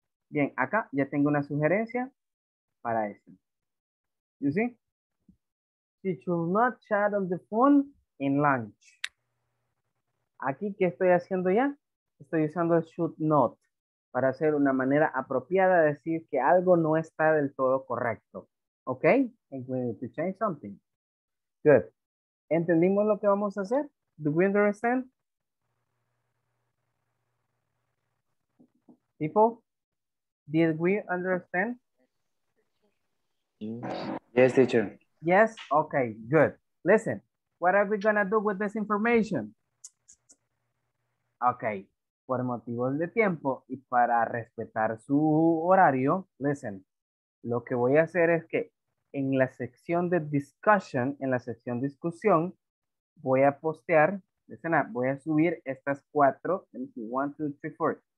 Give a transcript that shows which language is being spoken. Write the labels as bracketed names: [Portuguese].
[Spanish] Bien, acá ya tengo una sugerencia para eso. [English] You see? She should not chat on the phone in lunch. [Spanish] Aquí, ¿qué estoy haciendo ya? Estoy usando el should not para hacer una manera apropiada de decir que algo no está del todo correcto. ¿Ok? [English] And we need to change something. Good. [Spanish] ¿Entendimos lo que vamos a hacer? [English] Do we understand? People, did we understand? Yes, teacher. Yes, okay, good. Listen, what are we gonna do with this information? [Spanish] Okay, por motivos de tiempo y para respetar su horario, listen, lo que voy a hacer es que en la sección de discussion, en la sección discusión, voy a postear, [English] listen up, [Spanish] voy a subir estas cuatro, 1, 2, 3, 4.